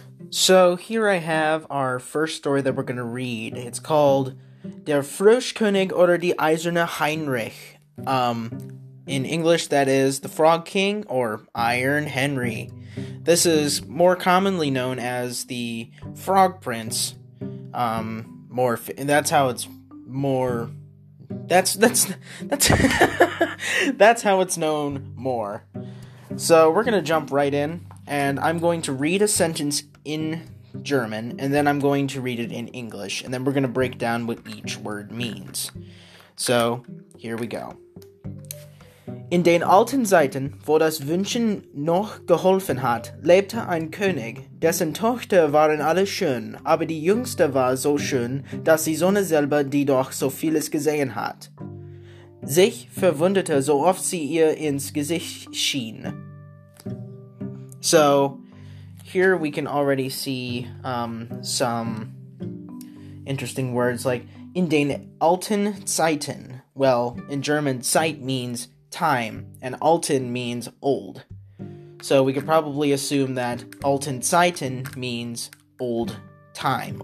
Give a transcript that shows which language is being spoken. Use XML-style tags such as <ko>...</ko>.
<en>So here I have our first story that we're going to read. It's called Der Froschkönig oder die Eiserne Heinrich. In English, that is The Frog King or Iron Henry. This is more commonly known as The Frog Prince. That's how it's known more. So we're going to jump right in, and I'm going to read a sentence in German, and then I'm going to read it in English, and then we're going to break down what each word means. So, here we go.</en> <de>In den alten Zeiten, wo das Wünschen noch geholfen hat, lebte ein König, dessen Tochter waren alle schön, aber die jüngste war so schön, dass die Sonne selber die doch so vieles gesehen hat. Sich verwundete, so oft sie ihr ins Gesicht schien.</de> <en>So, here we can already see some interesting words like</en> <de>in den alten Zeiten.</de> <en>Well, in German, Zeit means time, and alten means old. So we could probably assume that alten Zeiten means old time.</en>